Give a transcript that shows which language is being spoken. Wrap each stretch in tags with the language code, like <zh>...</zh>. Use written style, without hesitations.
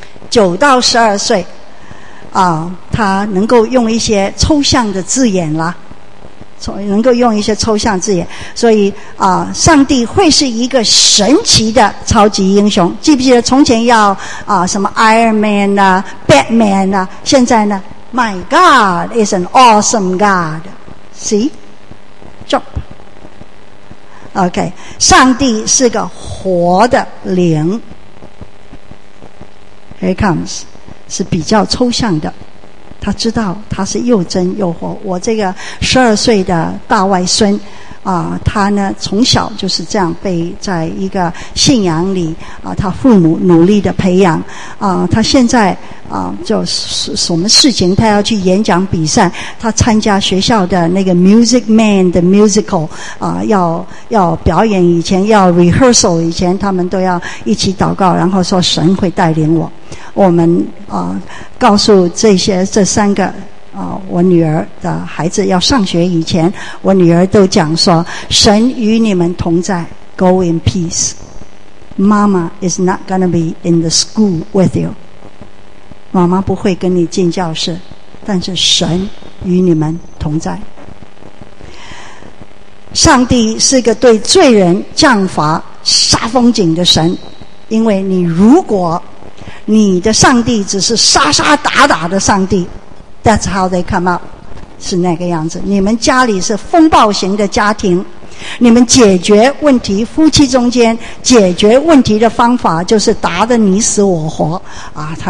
<zh>九到十二岁啊，他能够用一些抽象的字眼啦，能够用一些抽象字眼，所以啊，上帝会是一个神奇的超级英雄。记不记得从前要啊什么 Iron Man 啊 Batman 啊，现在呢</zh> <en>My God is an awesome God， See jump OK，</en> <zh>上帝是个活的灵。</zh> <en>Here he comes，</en> <zh>是比较抽象的，他知道他是又真又活。我这个十二岁的大外孙啊，他呢从小就是这样被在一个信仰里啊，他父母努力的培养啊，他现在啊就什么事情他要去演讲比赛，他参加学校的那个 Music Man 的 Musical 啊，要表演以前要 rehearsal 以前，他们都要一起祷告，然后说神会带领我。我们啊，告诉这些这三个啊，我女儿的孩子要上学以前，我女儿都讲说：“神与你们同在 ，</zh> <en>Go in peace. Mama is not gonna be in the school with you.</en> <zh>妈妈不会跟你进教室，但是神与你们同在。上帝是个对罪人降罚杀风景的神，因为你如果。” 你的上帝只是杀杀打打的上帝</zh> <en>That's how they come out，</en> <zh>是那个样子。你们家里是风暴型的家庭，你们解决问题夫妻中间解决问题的方法就是打得你死我活啊。</zh>